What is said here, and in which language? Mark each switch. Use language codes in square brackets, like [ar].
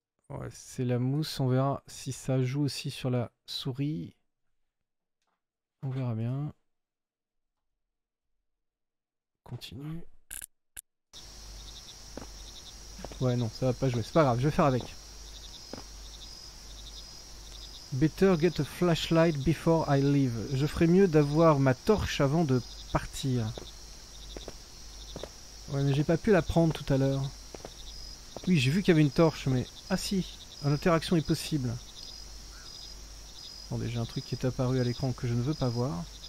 [fr] Ouais, c'est la mousse, on verra si ça joue aussi sur la souris. On verra bien. Continue. Ouais, non, ça va pas jouer. C'est pas grave, je vais faire avec. [en] Better get a flashlight before I leave. [fr] Je ferais mieux d'avoir ma torche avant de partir. Ouais, mais j'ai pas pu la prendre tout à l'heure. Oui, j'ai vu qu'il y avait une torche, mais... Ah si, une interaction est possible. Attendez, j'ai un truc qui est apparu à l'écran que je ne veux pas voir.